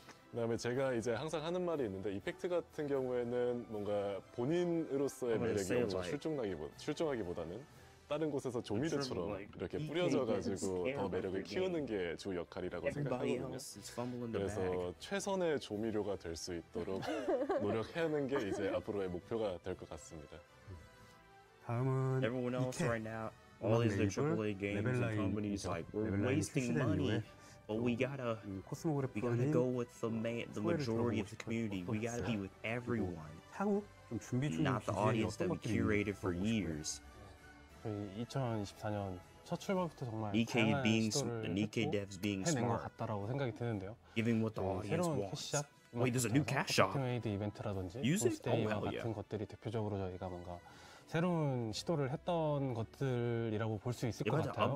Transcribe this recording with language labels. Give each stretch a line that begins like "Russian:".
Korean: 그다음에 제가 이제 항상 하는 말이 있는데 이펙트 같은 경우에는 뭔가 본인으로서의 매력이 엄청 출중하기보다는 다른 곳에서 조미료처럼 이렇게 뿌려져가지고 더 매력을 키우는 게 주 역할이라고 생각하거든요. 그래서 최선의 조미료가 될 수 있도록 노력하는 게 이제 앞으로의 목표가 될 것 같습니다. 다음은
English: Everyone else right now, all these AAA games and companies like we're wasting money, but we gotta go with the majority of the community. We gotta be with everyone, not the audience that we curated for years.
Korean: 2024년 첫 출발부터 정말 다양한 시도를 해낸 것 같다라고 생각이 드는데요. 새로운 캐시샵, 스타팅웨이드 이벤트라든지 홀스테이와 같은 것들이 대표적으로 저희가 뭔가 새로운 시도를 했던 것들이라고 볼 수 있을 것 같아요.